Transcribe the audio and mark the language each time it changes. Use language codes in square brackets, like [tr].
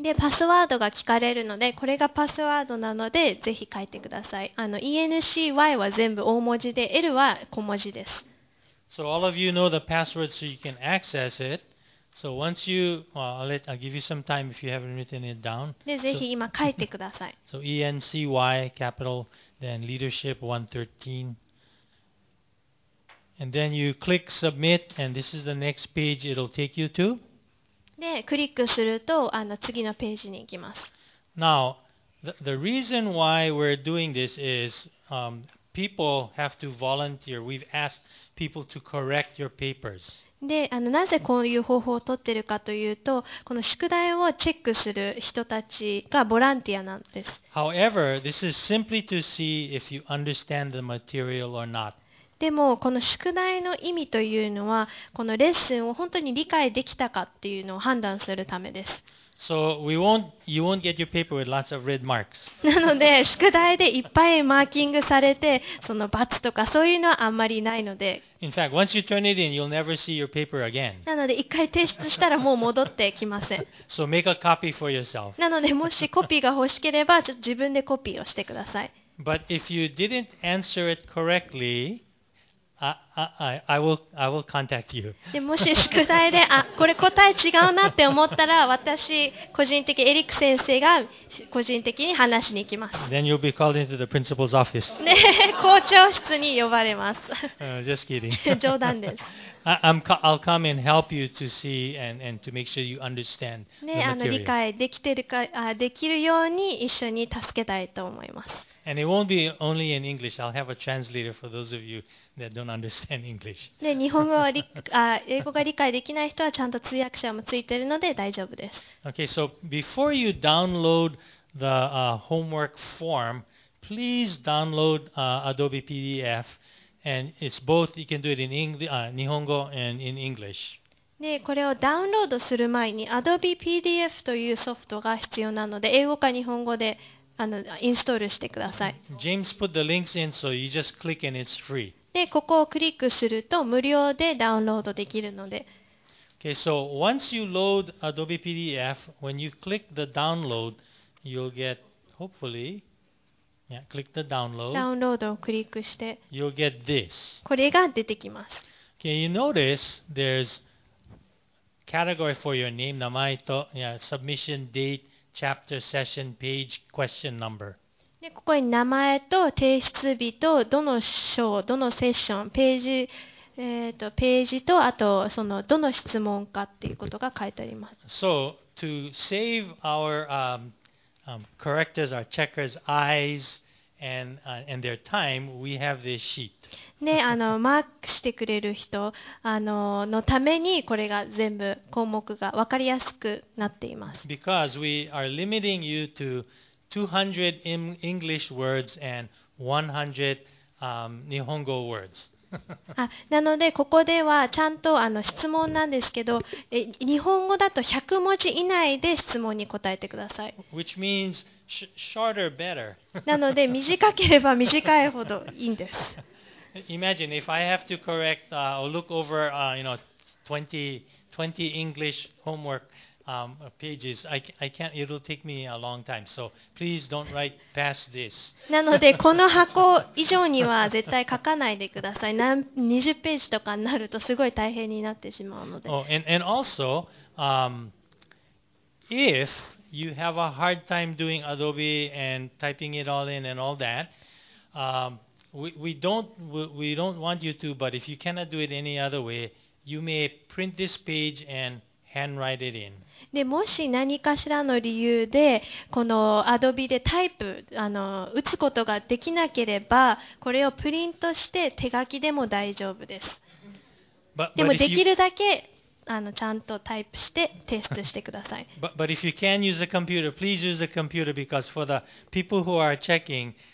[ja] で、パスワードが聞かれるので、これがパスワードなので、ぜひ書いてください。 ENCY は全部大文字で、L は小文字です。 [en] So all of you know the password so you can access it. So once you, I'll give you some time if you haven't written it down. [ja] で、ぜひ今書いてください。 [en] So ENCY, capital, then leadership 113. And then you click submit, and this is the next page it'll take you to. [ja] で、クリックすると、次のページに行きます。 [en] Now, the reason why we're doing this is, people have to volunteer. We've asked people to correct your papers. [ja] で、なぜこういう方法を取ってるかというと、この宿題をチェックする人たちがボランティアなんです。 [en] However, this is simply to see if you understand the material or not. [ja] でもこの宿題の意味というのはこのレッスンを本当に理解できたかっていうのを判断するためです。 [en] So we won't, you won't get your paper with lots of red marks. [ja] なので宿題でいっぱいマーキングされてその×とかそういうのはあんまりないので。 [en] In fact, once you turn it in, you'll never see your paper again. [ja] なので一回提出したらもう戻ってきません。 [en] So make a copy for yourself. [ja] なのでもしコピーが欲しければちょっと自分でコピーをしてください。 [en] But if you didn't answer it correctly,I will contact you. [ja] でもし宿題で、これ答え違うなって思ったら、私、個人的、エリック先生が個人的に話しに行きます。 [en] Then you'll be called into the principal's office. [ja] で、校長室に呼ばれます。 [en] Just kidding. [ja] 冗談です。 [en] I'll come and help you to see and to make sure you understand the material. [ja] ね、理解できてるか、できるように一緒に助けたいと思います。 [en] And it won't be only in English. I'll have a translator for those of you that don't understand English. [ja] 日本語は英語が理解できない人はちゃんと通訳者もついているので大丈夫です。 [en] Okay, so before you download the homework form, please download Adobe PDF. And it's both, you can do it in English, 日本語 and in English. [ja] でこれをダウンロードする前に Adobe PDF というソフトが必要なので英語か日本語でインストールしてください。 [en] James put the links in, so you just click and it's free. [ja] でここをクリックすると無料でダウンロードできるので。 [en] Okay, so once you load Adobe PDF, when you click the download, you'll get hopefully, yeah, click the download. [ja] ダウンロードをクリックして、 [en] you'll get this. [ja] これが出てきます。 [en] Okay, you notice there's category for your name, [ja] 名前と、 [en] yeah, submission date. Chapter, session, page, question number. [ja] でここに名前と提出日とどの章、どのセッション、ページ、ページとあとそのどの質問かっていうことが書いてあります。 [en] So to save our correctors, our checkers' eyes and their time, we have this sheet. [ja] ね、マークしてくれる人のためにこれが全部項目が分かりやすくなっています。 [en] Because we are limiting you to 200 English words and 100 Nihongo words. [ja] なのでここではちゃんと質問なんですけど、日本語だと100文字以内で質問に答えてください。 [en] Which means shorter better. [ja] なので短ければ短いほどいいんです。 [en] Imagine if I have to correct or look over twenty English homework pages. I can't. It'll take me a long time. So please don't write past this. [ja] なのでこの箱以上には絶対書かないでください。 20ページとかになるとすごい大変になってしまうので。 [en] Oh, and also, if you have a hard time doing Adobe and typing it all in and all that. We don't want you to, but if you cannot do it any other way, you may print this page and handwrite it in. [ja] でもし何かしらの理由でこの Adobe でタイプ打つことができなければ、これをプリントして手書きでも大丈夫です。でもできるだけちゃんとタイプしてテストしてください。 [en] But if you can use the computer, please use the computer because for the people who are checking.